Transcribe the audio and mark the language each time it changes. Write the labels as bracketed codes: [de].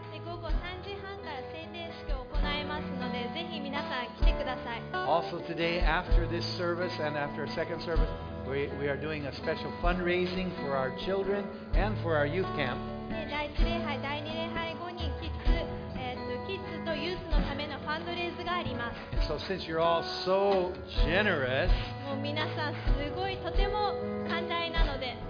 [ja] 午後3時半から聖霊式を行いますのでぜひ皆さん来てください。 [en] Also today after this service and after a second service we are doing a special fundraising for our children and for our youth camp. [ja] 第1礼拝第2礼拝後にキッズとユースのためのファンドレーズがあります。 [en] So since you're all so generous, [ja] もう皆さんすごいとても寛大なので